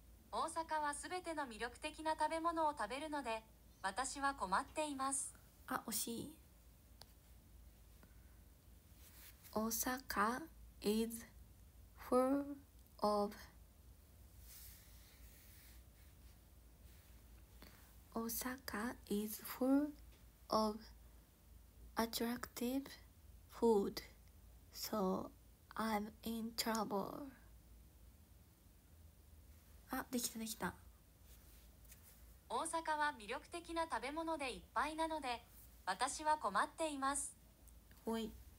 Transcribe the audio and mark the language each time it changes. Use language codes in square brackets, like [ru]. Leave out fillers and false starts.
[ja] 大阪はすべての魅力的な食べ物を食べるので、私は困っています。あ、惜しい。 [en] 大阪 is full of。大阪 is full of attractive food, so I'm in trouble. [ja] あ、できたできた。大阪は魅力的な食べ物でいっぱいなので、私は困っています。ほい。